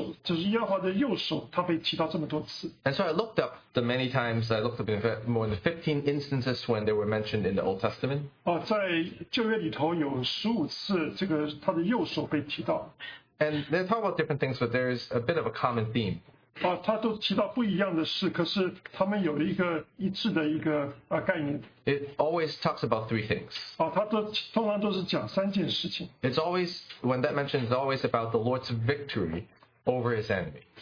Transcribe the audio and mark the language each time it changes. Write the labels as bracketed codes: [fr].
[zh] 就是在我注意到，就是只有在这里是右手，就是耶和华的右手，他被提到这么多次。 [en] And so I looked up the many times, I looked up in more than 15 instances when they were mentioned in the Old Testament. [zh] 在旧约里头有15次，这个他的右手被提到。 [en] And they talk about different things, but there is a bit of a common theme. [zh] 他都提到不一样的事，可是他们有一个一致的一个概念。 [en] It always talks about three things. [zh] 他通常都是讲三件事情。 [en] It's always, when that mention is always about the Lord's victory over his enemy.